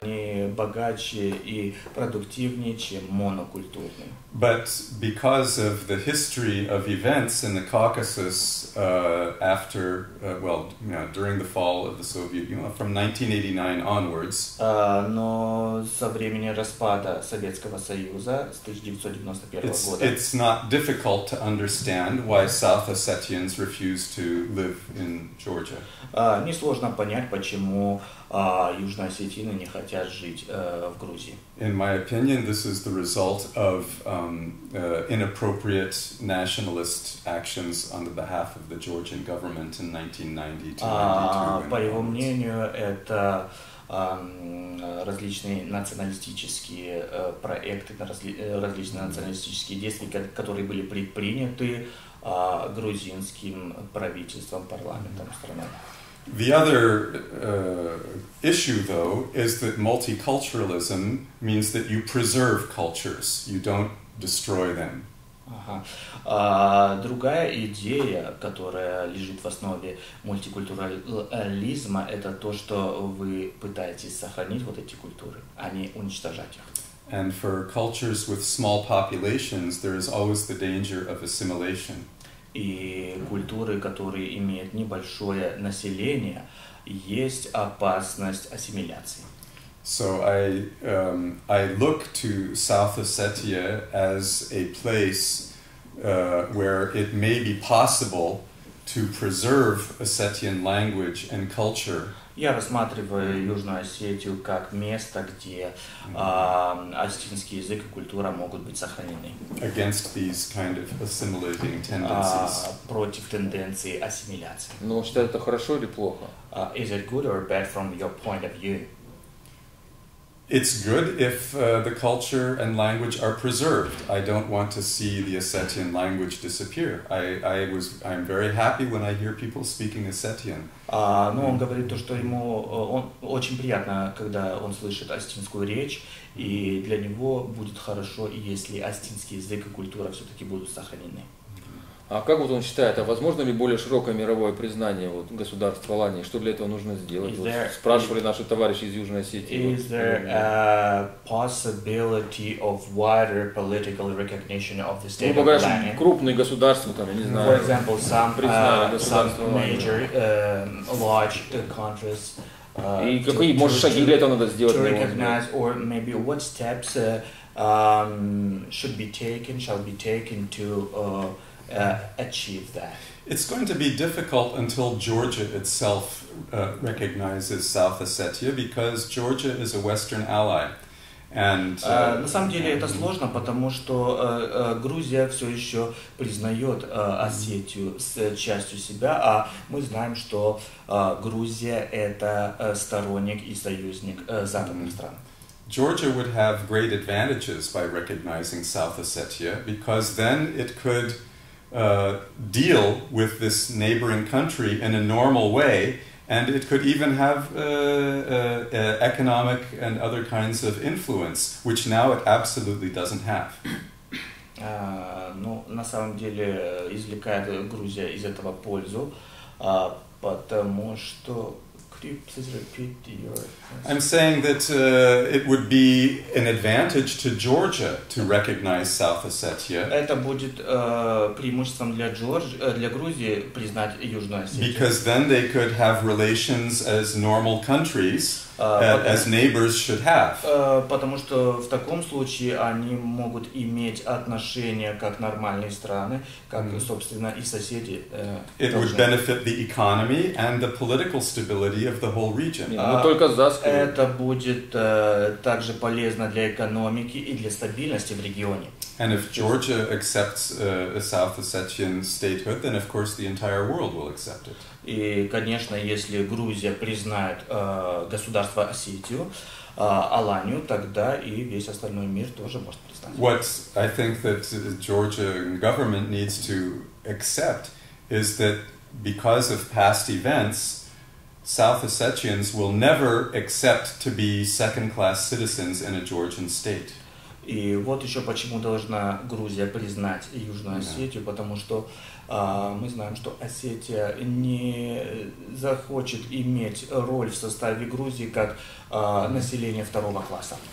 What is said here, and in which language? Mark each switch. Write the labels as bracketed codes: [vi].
[ru] Они богаче и продуктивнее, чем монокультурные. [en] But because of the history of events in the Caucasus after, well, you know, during the fall of the Soviet Union, from 1989 onwards. [ru] Но со времени распада Советского Союза с 1991 года. [en] It's not difficult to understand why South Ossetians refused to live in Georgia. [ru] Несложно понять, почему Южные Осетины не хотят жить в Грузии. [en] In my opinion, this is the result of inappropriate nationalist actions on the behalf of the Georgian government in 1990 to 1992. [ru] По его мнению, это различные националистические проекты, различные националистические действия, которые были предприняты грузинским правительством, парламентом страны. [en] The other issue, though, is that multiculturalism means that you preserve cultures, you don't destroy them. [ru] Другая идея, которая лежит в основе мультикультурализма, это то, что вы пытаетесь сохранить вот эти культуры, а не уничтожать их. [en] And for cultures with small populations, there is always the danger of assimilation. [ru] И культуры, которые имеют небольшое население, есть опасность ассимиляции. [en] So I look to South Ossetia as a place where it may be possible to preserve Ossetian language and culture. [ru] Я рассматриваю Южную Осетию как место, где осетинский язык и культура могут быть сохранены. [en] Against these kind of assimilating tendencies. [ru] Против тенденции ассимиляции. Ну, что это хорошо или плохо? [en] Is it good or bad from your point of view? It's good if the culture and language are preserved. I don't want to see the Ossetian language disappear. I'm very happy when I hear people speaking Ossetian. [ru] Ну, он говорит то, что ему он очень приятно, когда он слышит осетинскую речь, и для него будет хорошо, если осетинский язык и культура все-таки будут сохранены. А как вот он считает, а возможно ли более широкое мировое признание вот, государства Алании? Что для этого нужно сделать? [en] There, [ru] вот, спрашивали наши товарищи из Южной Осетии. [en] Is there a possibility of wider political recognition of the state of [ru] Алания? Ну, по крайней мере, крупные государства, там, я не знаю, [en] for example, some, [ru] признали [en] major, large countries. [ru] И какие, может, шаги для этого надо сделать? [en] To recognize, or maybe what steps shall be taken to... achieve that. It's going to be difficult until Georgia itself recognizes South Ossetia because Georgia is a Western ally. And [ru] на самом деле это сложно, потому что Грузия все еще признает Осетию с частью себя, а мы знаем, что Грузия это сторонник и союзник западных стран. [en] Georgia would have great advantages by recognizing South Ossetia because then it could deal with this neighboring country in a normal way, and it could even have economic and other kinds of influence, which now it absolutely doesn't have. [ru] Ну, на самом деле, извлекает Грузия из этого пользу, потому что... [en] Could you please repeat your... I'm saying that it would be an advantage to Georgia to recognize South Ossetia. [ru] Это будет преимуществом для Грузии признать Южную Осетию. [en] Because then they could have relations as normal countries. as neighbors should have. [ru] Потому что в таком случае они могут иметь отношения как нормальные страны, как mm-hmm. собственно и соседи. [en] It would benefit the economy and the political stability of the whole region. [ru] Но только за скрипт. Это будет также полезно для экономики и для стабильности в регионе. [en] And if Georgia accepts a South Ossetian statehood, then of course the entire world will accept it. [ru] И, конечно, если Грузия признает государство Осетию, Аланию, тогда и весь остальной мир тоже может признать. [en] What I think that the Georgian government needs to accept is that because of past events, South Ossetians will never accept to be second-class citizens in a Georgian state. [ru] И вот еще почему должна Грузия признать Южную Осетию, потому что мы знаем, что Осетия не захочет иметь роль в составе Грузии как население второго класса.